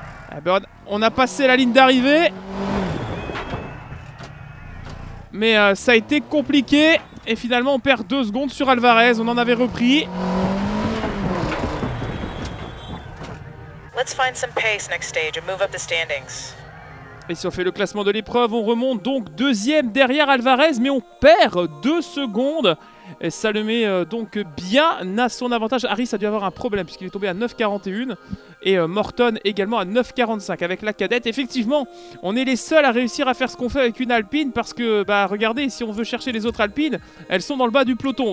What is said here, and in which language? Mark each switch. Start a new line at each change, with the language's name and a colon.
French: Oh, eh ben, on a passé la ligne d'arrivée. Mais ça a été compliqué. Et finalement, on perd 2 secondes sur Alvarez, on en avait repris.
English: Let's find some pace next stage and move up the standings.
French: Et si on fait le classement de l'épreuve, on remonte donc deuxième derrière Alvarez, mais on perd 2 secondes. Et ça le met donc bien à son avantage. Harris a dû avoir un problème puisqu'il est tombé à 9,41 et Morton également à 9,45 avec la cadette. Effectivement, on est les seuls à réussir à faire ce qu'on fait avec une Alpine parce que, bah, regardez, si on veut chercher les autres Alpines, elles sont dans le bas du peloton.